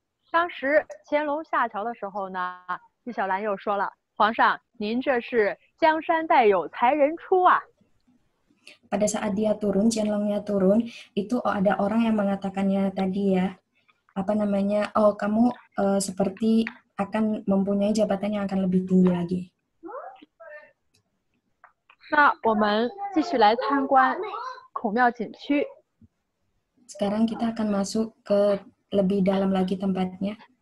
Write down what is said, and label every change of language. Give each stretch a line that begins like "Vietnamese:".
Chinese: 当时乾隆下桥的时候呢，纪晓岚又说了：“皇上，您这是江山代有才人出啊。”
Indonesian: Pada saat dia turun, Qianlongnya turun, itu ada orang yang mengatakannya tadi ya, apa namanya, oh kamu seperti akan mempunyai jabatan yang akan lebih tinggi lagi.
Chinese: 那我们继续来参观孔庙景区。
Indonesian: Sekarang kita akan masuk ke lebih dalam lagi tempatnya.